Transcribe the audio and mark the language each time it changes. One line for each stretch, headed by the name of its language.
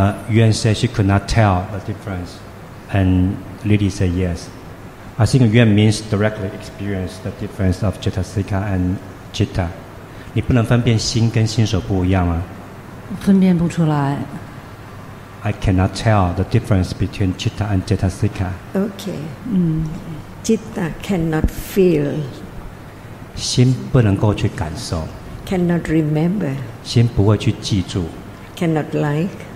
English: Yuan said she could not tell the difference, and Lily said yes. I think Yuan means directly experience the difference of Chittasika and Chitta.
Chinese: 你不能分辨心跟心所不一样吗？分辨不出来。
English: I cannot tell the difference between Chitta and Chittasika. Okay. Chitta cannot feel.
Chinese: 心不能够去感受。
English: Cannot remember.
Chinese: 心不会去记住。
English: Cannot like.